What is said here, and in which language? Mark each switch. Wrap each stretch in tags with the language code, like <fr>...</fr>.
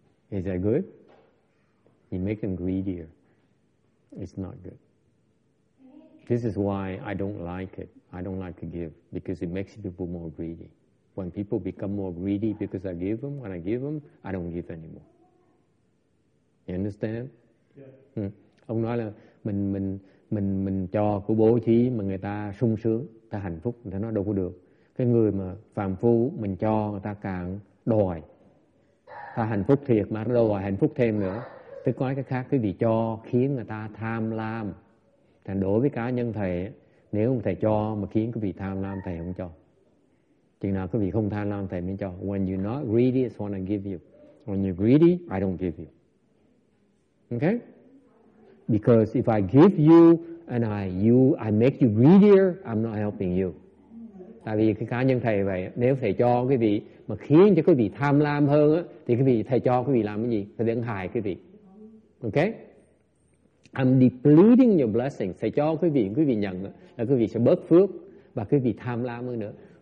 <en>Is that good? You make them greedier. It's not good. This is why I don't like it. I don't like to give because it makes people more greedy. When people become more greedy because I give them, when I give them, I don't give anymore. You understand? Yeah.</en> <vi>Ông nói là mình cho của bố thí mà người ta sung sướng, người ta hạnh phúc, người ta nói đâu có được. Cái người mà phàm phu mình cho người ta càng đòi. Ta hạnh phúc thiệt mà đòi hạnh phúc thêm nữa. Tức nói cái khác, cái gì cho khiến người ta tham lam. Thành đối với cá nhân thầy, nếu ông thầy cho mà khiến quý vị tham lam, thầy không cho. Chừng nào quý vị không tham lam, thầy mới cho.</vi> <en>When you're not greedy, it's what I give you. When you're greedy, I don't give you. Okay? Because if I give you and I make you greedier, I'm not helping you.</en> <vi>Tại vì cái cá nhân thầy vậy, nếu thầy cho quý vị mà khiến cho quý vị tham lam hơn á, thì quý vị thầy cho quý vị làm cái gì? Thầy đang hại quý vị. Okay?</vi> <en>I'm depleting your blessing.</en> <vi>Thầy cho quý vị nhận là quý vị sẽ bớt phước và quý vị tham lam hơn nữa.</vi>